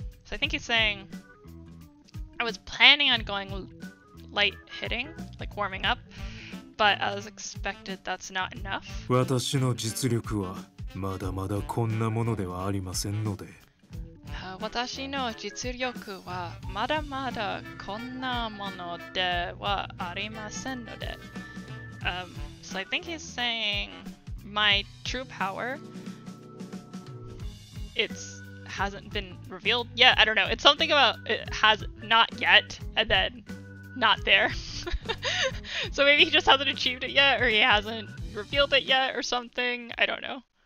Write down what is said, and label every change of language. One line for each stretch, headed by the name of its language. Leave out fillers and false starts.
English: So I think he's saying, I was planning on going. Light hitting, like warming up, but as expected, that's not enough.
Japanese: 私の実力はまだまだこんなものではありませんので。私の実力はまだまだこんなものではありませんので。
English: So I think he's saying my true power, it's hasn't been revealed yet. I don't know. It's something about it has not yet, and then. Not there. So maybe he just hasn't achieved it yet, or he hasn't revealed it yet, or something. I don't know.